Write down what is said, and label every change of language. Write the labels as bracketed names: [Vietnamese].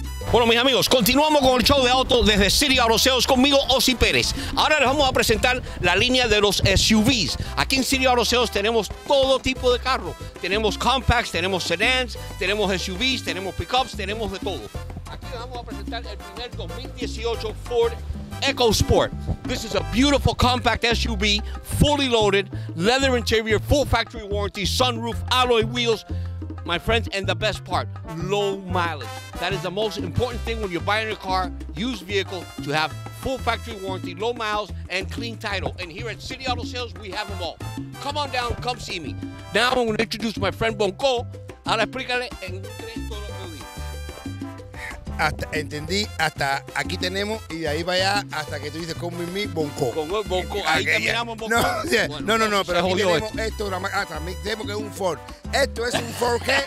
[Spanish] Bueno, mis amigos, continuamos con el show de autos desde City Auto Sales conmigo, Osi Pérez. Ahora les vamos a presentar la línea de los SUVs. Aquí en City Auto Sales tenemos todo tipo de carro. Tenemos compacts, tenemos sedans, tenemos SUVs, tenemos pickups, tenemos de todo. Aquí les vamos a presentar el primer 2018 Ford EcoSport. [English] This is a beautiful compact SUV, fully loaded, leather interior, full factory warranty, sunroof, alloy wheels. My friends, and the best part, low mileage. That is the most important thing when you're buying a car, used vehicle, to have full factory warranty, low miles, and clean title. And here at City Auto Sales, we have them all. Come on down, come see me. Now I'm going to introduce my friend Bonco. [Spanish] Ahora explícale en inglés todo lo que dice. Hasta, entendí, hasta aquí tenemos, y de ahí vaya hasta que tú dices, [English] come with me, [Spanish] Bonco. Bonco, ahí okay, terminamos [English] Bonco. No, yeah. [Spanish] Bueno, no, pero aquí tenemos esto, también tenemos que es un Ford. Esto es un Ford ¿qué?